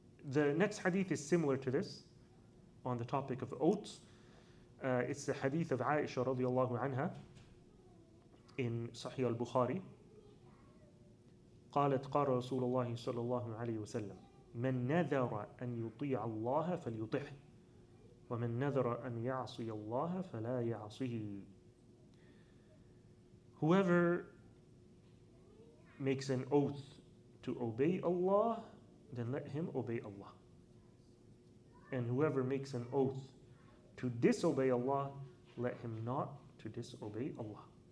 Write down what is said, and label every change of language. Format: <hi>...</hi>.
<en>The next hadith is similar to this on the topic of oaths. It's the hadith of Aisha radiallahu anha in Sahih al-Bukhari.</en> <ar>قالت قال رسول الله صلى الله عليه وسلم من نذر أن يطيع الله فليطيعه ومن نذر أن يعصي الله فلا يعصيه.</ar> <en>Whoever makes an oath to obey Allah, then let him obey Allah. And whoever makes an oath to disobey Allah, let him not to disobey Allah.</en>